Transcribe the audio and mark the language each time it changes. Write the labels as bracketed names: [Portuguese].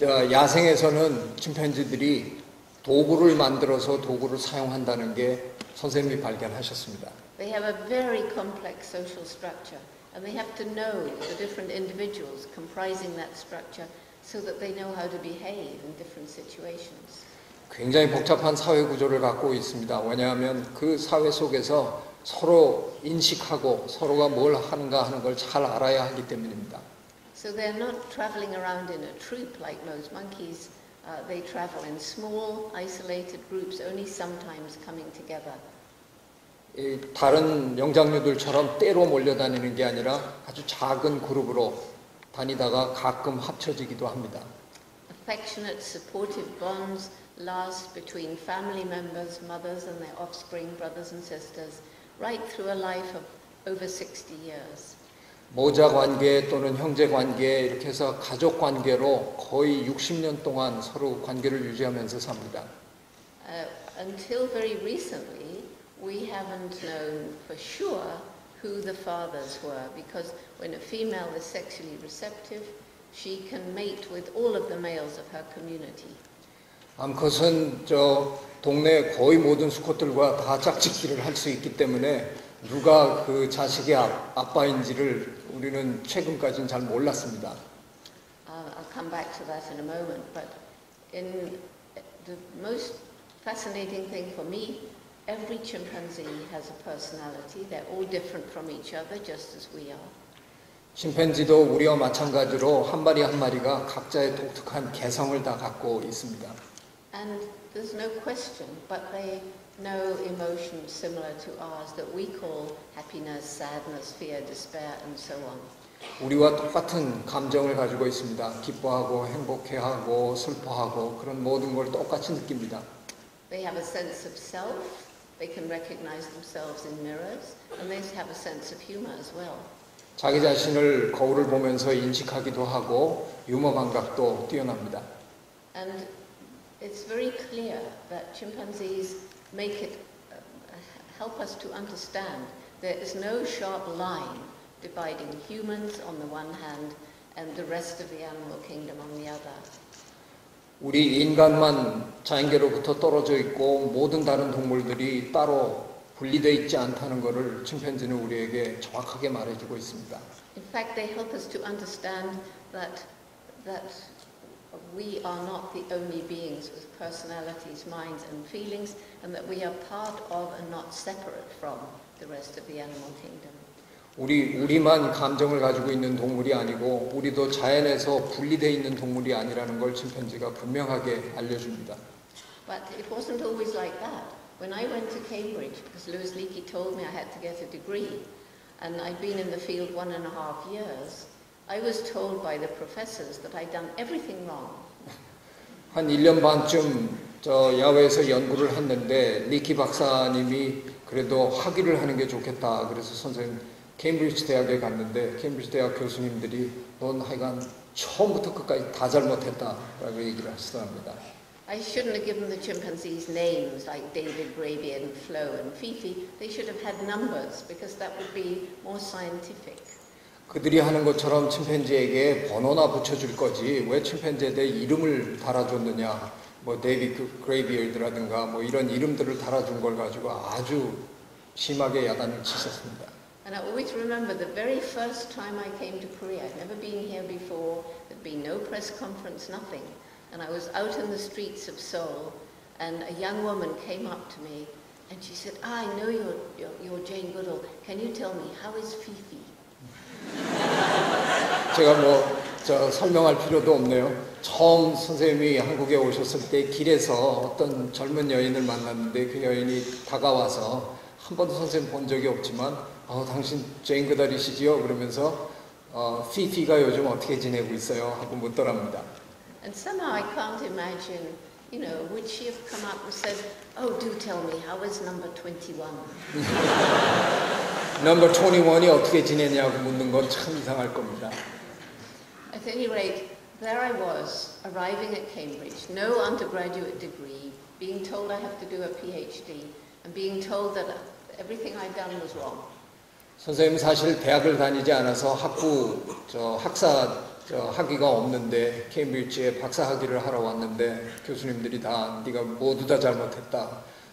[Korean] 야생에서는 침팬지들이 도구를 만들어서 도구를 사용한다는 게 선생님이 발견하셨습니다. [English] They have a very complex social structure and they have to know the different individuals comprising that structure so that they know how to behave in different situations. [Korean] 굉장히 복잡한 사회 구조를 갖고 있습니다. 왜냐하면 그 사회 속에서 서로 인식하고 서로가 뭘 하는가 하는 걸 잘 알아야 하기 때문입니다. [English] So they're not traveling around in a troop like most monkeys. They travel in small, isolated groups, only sometimes coming together. [Korean] 다른 영장류들처럼 떼로 몰려다니는 게 아니라 아주 작은 그룹으로 다니다가 가끔 합쳐지기도 합니다. [English] Affectionate, supportive bonds last between family members, mothers and their offspring, brothers and sisters, right through a life of over 60 years. [Korean] 모자 관계 또는 형제 관계 이렇게 해서 가족 관계로 거의 60년 동안 서로 관계를 유지하면서 삽니다. [English] Until very recently, we haven't known for sure who the fathers were because when a female is sexually receptive, she can mate with all of the males of her community. [Korean] 암컷은 저 동네 거의 모든 수컷들과 다 짝짓기를 할 수 있기 때문에 누가 그 자식의 아빠인지를 우리는 최근까지는 잘 몰랐습니다. [English] I'll come back to that in a moment, but in the most fascinating thing for me, every chimpanzee has a personality. They're all different from each other, just as we are. [Korean] 심펜지도 우리와 마찬가지로 한 마리 한 마리가 각자의 독특한 개성을 다 갖고 있습니다. [English] And there's no question, but they know emotions similar to ours that we call happiness, sadness, fear, despair, and so on. [Korean] 우리와 똑같은 감정을 가지고 있습니다. 기뻐하고 행복해하고 슬퍼하고 그런 모든 걸 똑같이 느낍니다. [English] They have a sense of self. They can recognize themselves in mirrors, and they have a sense of humor as well. [Korean] 자기 자신을 거울을 보면서 인식하기도 하고 유머 감각도 뛰어납니다. [English] And it's very clear that chimpanzees make it help us to understand there is no sharp line dividing humans on the one hand and the rest of the animal kingdom on the other. [Korean] 우리 인간만 자연계로부터 떨어져 있고 모든 다른 동물들이 따로 분리되어 있지 않다는 것을 침팬지는 우리에게 정확하게 말해주고 있습니다. [English] In fact, they help us to understand that we are not the only beings with personalities, minds, and feelings, and that we are part of and not separate from the rest of the animal kingdom. [Korean] 우리만 감정을 가지고 있는 동물이 아니고 우리도 자연에서 분리되어 있는 동물이 아니라는 걸 침팬지가 분명하게 알려줍니다. [English] But it wasn't always like that. When I went to Cambridge, because Louis Leakey told me I had to get a degree, and I'd been in the field 1.5 years, I was told by the professors that I'd done everything wrong. [Korean] 한 1년 반쯤 저 야외에서 연구를 했는데 리키 박사님이 그래도 학위를 하는 게 좋겠다. 그래서 선생님 케임브리지 대학에 갔는데 케임브리지 대학 교수님들이 넌 하여간 처음부터 끝까지 다 잘못했다라고 얘기를 하시더랍니다. [English] I shouldn't have given the chimpanzees names like David, Raby, and Flo, and Fifi. They should have had numbers because that would be more scientific. [Korean] 그들이 하는 것처럼 침팬지에게 번호나 붙여줄 거지. 왜 침팬지에게 이름을 달아줬느냐? 뭐 David, Graybeard라든가 뭐 이런 이름들을 달아준 걸 가지고 아주 심하게 야단을 치셨습니다. [English] And I always remember the very first time I came to Korea. I'd never been here before. There'd been no press conference, nothing. And I was out in the streets of Seoul, and a young woman came up to me, and she said, "I know you're Jane Goodall. Can you tell me how is Fifi?" [Korean] 제가 뭐 저 설명할 필요도 없네요. 처음 선생님이 한국에 오셨을 때 길에서 어떤 젊은 여인을 만났는데 그 여인이 다가와서 한 번도 선생님 본 적이 없지만, 당신 제인 그달이시지요? 그러면서 피피가 요즘 어떻게 지내고 있어요? 하고 묻더랍니다. [English] And somehow I can't imagine, you know, would she have come up and said, "Oh, do tell me, how is number 21? Number 21 [Korean] 이 어떻게 지내냐고 묻는 건 참 이상할 겁니다. [English] At any rate, there I was, arriving at Cambridge, no undergraduate degree, being told I have to do a PhD, and being told that everything I'd done was wrong. [Korean] 선생님 사실 대학을 다니지 않아서 학위가 없는데 케임브리지에 박사 학위를 하러 왔는데 교수님들이 다 네가 모두 다 잘못했다